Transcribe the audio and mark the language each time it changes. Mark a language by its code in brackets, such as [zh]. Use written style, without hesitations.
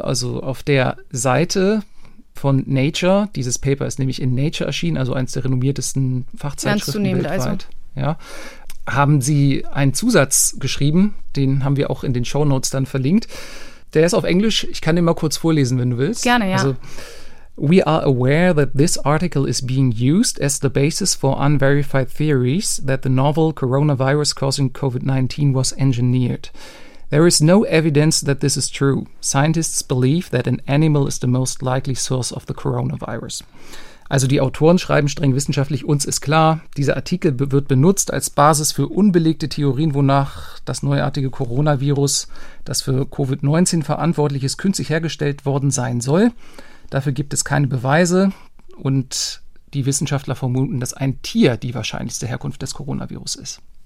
[de] Also auf der Seite von Nature. Dieses Paper ist nämlich in Nature erschienen, also eins der renommiertesten Fachzeitschriften weltweit. Also. Ja, haben sie einen Zusatz geschrieben, den haben wir auch in den Shownotes dann verlinkt. Der ist auf Englisch. Ich kann den mal kurz vorlesen, wenn du willst. Gerne, ja. [en] Also, we are aware that this article is being used as the basis for unverified theories that the novel coronavirus causing COVID-19 was engineered. There is no evidence that this is true. Scientists believe that an animal is the most likely source of the coronavirus. [de] Also die Autoren schreiben streng wissenschaftlich, uns ist klar, dieser Artikel wird benutzt als Basis für unbelegte Theorien, wonach das neuartige Coronavirus, das für Covid-19 verantwortlich ist, künstlich hergestellt worden sein soll. Dafür gibt es keine Beweise und die Wissenschaftler vermuten, dass ein Tier die wahrscheinlichste Herkunft des Coronavirus ist.